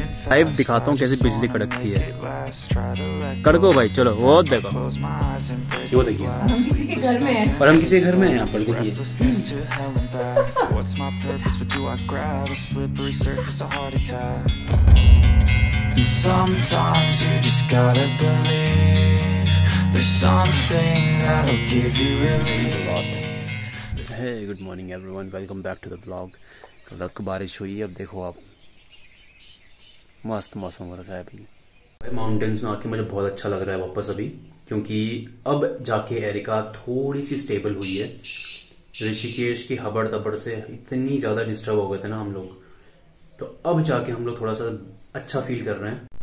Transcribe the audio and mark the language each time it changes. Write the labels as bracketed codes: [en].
[hi] Live दिखाता हूँ कैसे बिजली कड़कती है। कड़को भाई चलो वो देखो, वो देखिए पर हम किसी घर में हैं यहाँ पर देखिए। [en] Sometimes you just gotta believe there's something that'll give you relief. Hey, good morning everyone, welcome back to the vlog. [hi] कल रात को बारिश हुई, अब देखो आप मस्त मौसम हो रखा है अभी। माउंटेन्स में आके मुझे बहुत अच्छा लग रहा है वापस अभी, क्योंकि अब जाके एरिका थोड़ी सी स्टेबल हुई है। ऋषिकेश की हबड़ तबड़ से इतनी ज्यादा डिस्टर्ब हो गए थे ना हम लोग, तो अब जाके हम लोग थोड़ा सा अच्छा फील कर रहे हैं।